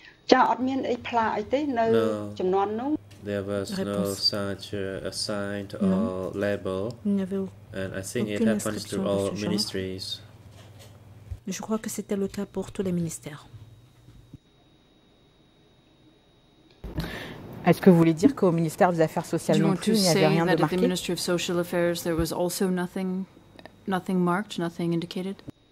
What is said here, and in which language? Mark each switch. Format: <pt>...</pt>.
<en>No, there was no such assigned or label, and I think it happens to all ministries.</en> <fr>Je crois que c'était le cas pour tous les ministères. Est-ce que vous voulez dire qu'au ministère des Affaires sociales non plus, il n'y avait rien de marqué?</fr> <en>At the Ministry of Social Affairs, there was also nothing marked, nothing indicated.</en>